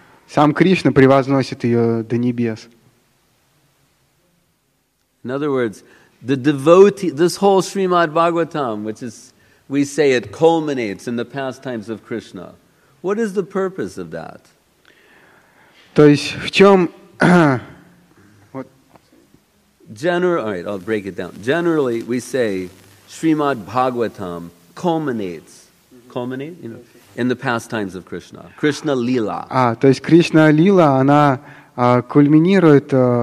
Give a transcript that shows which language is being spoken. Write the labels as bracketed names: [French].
[Russian] Сам Кришна превозносит ее до небес. [English] In other words, the devotee, this whole Srimad Bhagavatam, which is, we say it culminates in the pastimes of Krishna. What is the purpose of that? [Russian] То есть в чем... [English] I'll break it down. Generally, we say Srimad Bhagavatam culminates, you know, in the pastimes of Krishna. Krishna Lila. [Russian] А, то есть Кришна Лила, она кульминирует...